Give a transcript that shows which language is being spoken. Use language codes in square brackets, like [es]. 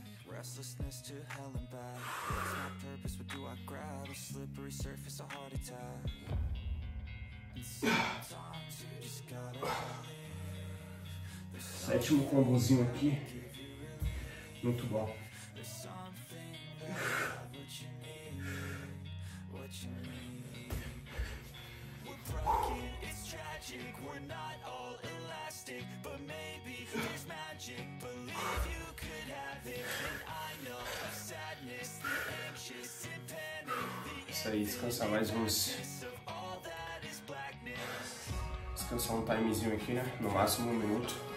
[en] Restlessness to hell and back. What's my purpose? What do I grab? A slippery surface, a heart attack. And sometimes you just gotta believe. [pt] Sétimo combozinho aqui. Muito bom. [en] There's something that what you need. What you need. We're broken, it's tragic. We're not all elastic. But maybe there's magic. Believe you could have it. [pt] Isso aí, descansar mais uns descansar um timezinho aqui, né? No máximo um minuto.